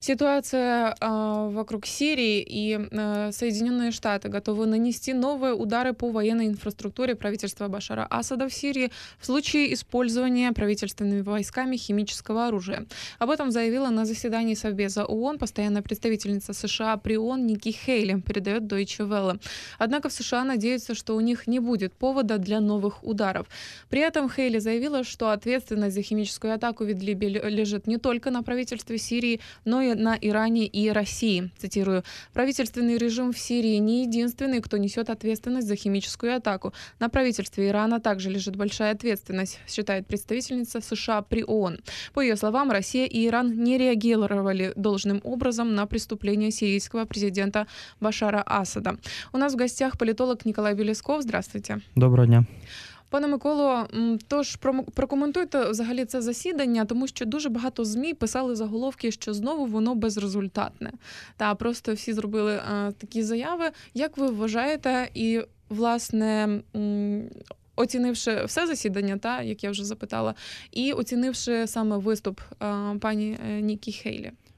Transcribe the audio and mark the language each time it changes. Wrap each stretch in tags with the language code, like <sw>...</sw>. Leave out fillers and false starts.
<ru>Ситуация вокруг Сирии и Соединенные Штаты готовы нанести новые удары по военной инфраструктуре правительства Башара Асада в Сирии в случае использования правительственными войсками химического оружия. Об этом заявила на заседании Совбеза ООН постоянная представительница США при ООН Ники Хейли, передает Deutsche Welle. Однако в США надеются, что у них не будет повода для новых ударов. При этом Хейли заявила, что ответственность за химическую атаку в Идлибе лежит не только на правительстве Сирии, но и на Иране и России. Цитирую, правительственный режим в Сирии не единственный, кто несет ответственность за химическую атаку. На правительстве Ирана также лежит большая ответственность, считает представительница США при ООН. По ее словам, Россия и Иран не реагировали должным образом на преступления сирийского президента Башара Асада. У нас в гостях политолог Николай Белесков. Здравствуйте.</ru> <uk>Доброго дня. Пане Миколо, тож прокоментуйте взагалі це засідання, тому що дуже багато ЗМІ писали заголовки, що знову воно безрезультатне. Та просто всі зробили такі заяви. Як ви вважаєте, і, власне, оцінивши все засідання, та, як я вже запитала, і оцінивши саме виступ пані Нікі Хейлі?</uk>